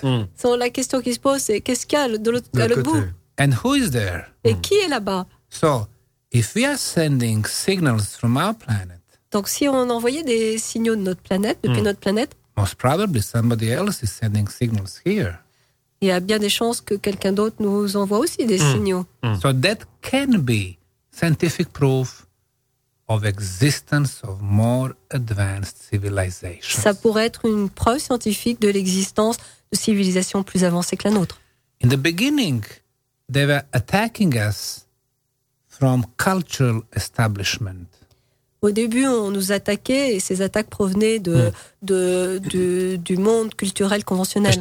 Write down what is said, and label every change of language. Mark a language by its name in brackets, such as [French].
[French] Mm. So, la question qui se pose, c'est qu'est-ce qu'il y a de l'autre bout? [English] And who is there? [French] Et qui est là-bas? [English] So, if we are sending signals from our planet. [French] Donc, si on envoyait des signaux de notre planète, depuis notre planète. [English] Most probably somebody else is sending signals here. [French] Il y a bien des chances que quelqu'un d'autre nous envoie aussi des signaux. [English] So that can be scientific proof of existence of more advanced civilizations. [French] Ça pourrait être une preuve scientifique de l'existence de civilisations plus avancées que la nôtre. [English] In the beginning, they were attacking us from cultural establishment. [French] Au début, on nous attaquait et ces attaques provenaient du monde culturel conventionnel.